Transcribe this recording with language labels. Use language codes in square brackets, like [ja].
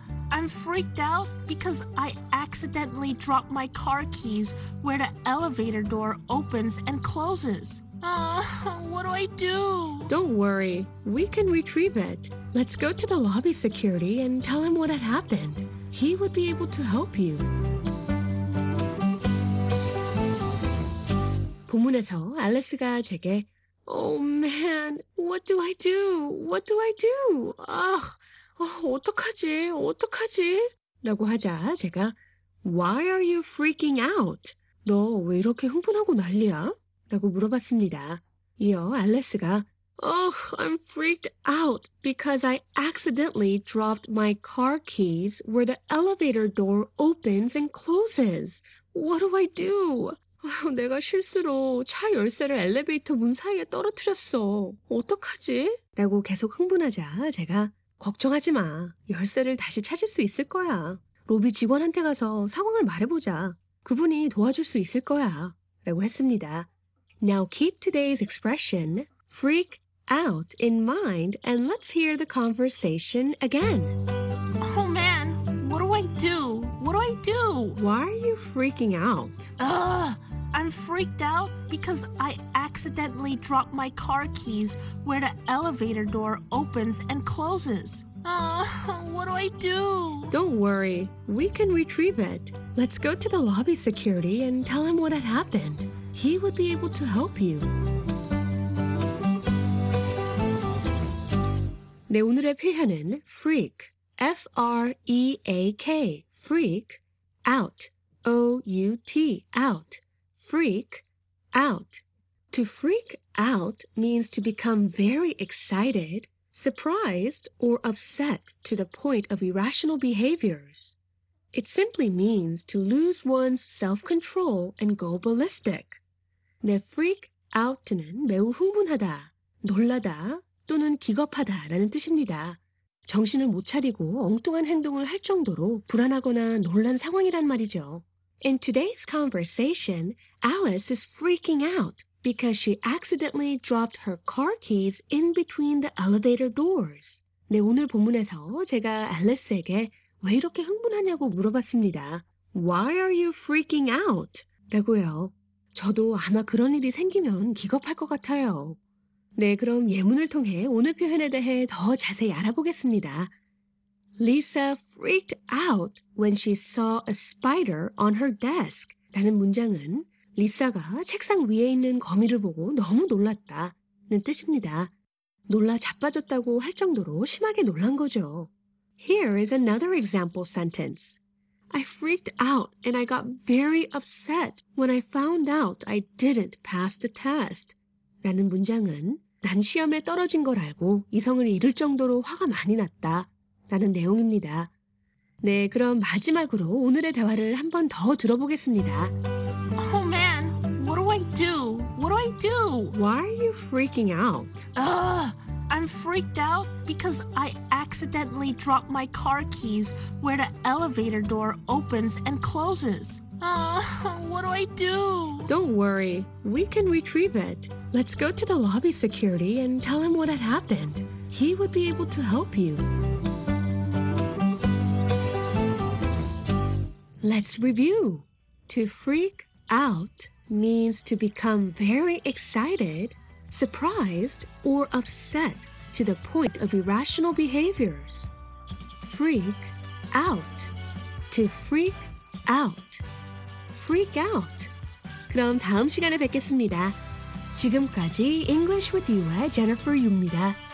[en] I'm freaked out because I accidentally dropped my car keys where the elevator door opens and closes. What do I do? Don't worry. We can retrieve it. Let's go to the lobby security and tell him what had happened. He would be able to help you. [ko] 본문에서 알리스가 제게 [en] Oh man, what do I do? What do I do? [ko] 어떡하지? 어떡하지? 라고 하자 제가 [en] Why are you freaking out? [ko] 너 왜 이렇게 흥분하고 난리야? 라고 물어봤습니다. 이어 알리스가 [en] Oh, I'm freaked out because I accidentally dropped my car keys where the elevator door opens and closes. What do I do? [ko] 내가 실수로 차 열쇠를 엘리베이터 문 사이에 떨어뜨렸어. 어떡하지? 라고 계속 흥분하자 제가 걱정하지 마. 열쇠를 다시 찾을 수 있을 거야. 로비 직원한테 가서 상황을 말해보자. 그분이 도와줄 수 있을 거야. 라고 했습니다. [en] Now keep today's expression, freak out, in mind and let's hear the conversation again. Oh man, what do I do? What do I do? Why are you freaking out? I'm freaked out because I accidentally dropped my car keys where the elevator door opens and closes. What do I do? Don't worry, we can retrieve it. Let's go to the lobby security and tell him what had happened. He would be able to help you. [ko] 네, 오늘의 표현은 freak, F-R-E-A-K, freak, out, O-U-T, out, freak, out. [en] To freak out means to become very excited, surprised, or upset to the point of irrational behaviors. It simply means to lose one's self-control and go ballistic. [ko] 네, freak out는 매우 흥분하다, 놀라다, 또는 기겁하다 라는 뜻입니다. 정신을 못 차리고 엉뚱한 행동을 할 정도로 불안하거나 놀란 상황이란 말이죠. [en] In today's conversation, Alice is freaking out because she accidentally dropped her car keys in between the elevator doors. [ko] 네, 오늘 본문에서 제가 알리스에게 왜 이렇게 흥분하냐고 물어봤습니다. [en] Why are you freaking out? [ko] 라고요. 저도 아마 그런 일이 생기면 기겁할 것 같아요. 네, 그럼 예문을 통해 오늘 표현에 대해 더 자세히 알아보겠습니다. [en] Lisa freaked out when she saw a spider on her desk. [ko] 라는 문장은 리사가 책상 위에 있는 거미를 보고 너무 놀랐다 는 뜻입니다. 놀라 자빠졌다고 할 정도로 심하게 놀란 거죠. [en] Here is another example sentence. I freaked out and I got very upset when I found out I didn't pass the test. [ko] 라는 문장은 난 시험에 떨어진 걸 알고 이성을 잃을 정도로 화가 많이 났다 라는 내용입니다. 네, 그럼 마지막으로 오늘의 대화를 한 번 더 들어보겠습니다. [en] Oh man, what do I do? What do I do? Why are you freaking out? I'm freaked out because I accidentally dropped my car keys where the elevator door opens and closes. What do I do? Don't worry. We can retrieve it. Let's go to the lobby security and tell him what had happened. He would be able to help you. Let's review. To freak out means to become very excited, surprised, or upset to the point of irrational behaviors. Freak out. To freak out. Freak out. [ko] 그럼 다음 시간에 뵙겠습니다. 지금까지 English with You의 Jennifer Yu입니다.